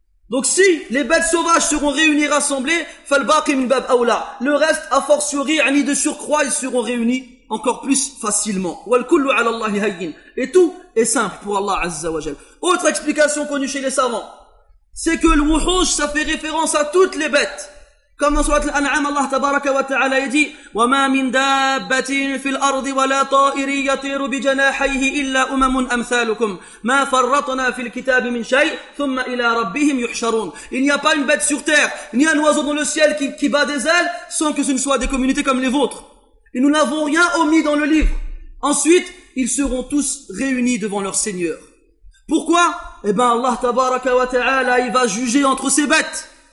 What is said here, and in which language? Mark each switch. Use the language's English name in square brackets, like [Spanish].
[French] Donc si les bêtes sauvages seront réunies et rassemblées, [Arabic] فَالْبَاقِ مِنْ بَابْ أَوْلَى, [French] le reste, à fortiori, ni de surcroît, ils seront réunis encore plus facilement. [Arabic] وَالْكُلُّ عَلَى اللَّهِ هَيِّنٌ. [French] Et tout est simple pour Allah Azza wa Jal. Autre explication connue chez les savants, c'est que le wuhush, ça fait référence à toutes les bêtes. Comme dans Sourate Al-An'am, Allah tabaraka wa ta'ala dit, [Arabic] وَمَا مِنْ دَابَّةٍ فِي الْأَرْضِ وَلَا طَائِرٍ يَطِيرُ بِجَنَاحَيْهِ إِلَّا أُمَمٌ أَمْثَالُكُمْ مَا فَرَّطْنَا فِي الْكِتَابِ مِنْ شَيْءٍ ثُمَّ إِلَى رَبِّهِمْ يُحْشَرُونَ. [French] Il n'y a pas une bête sur terre, ni un oiseau dans le ciel qui bat des ailes, sans que ce ne soit des communautés comme les vôtres. Et nous n'avons rien omis dans le livre. Ensuite, ils seront tous réunis devant leur Seigneur. Pourquoi? Eh bien, Allah tabaraka wa ta'ala, il va juger entre ces bêtes.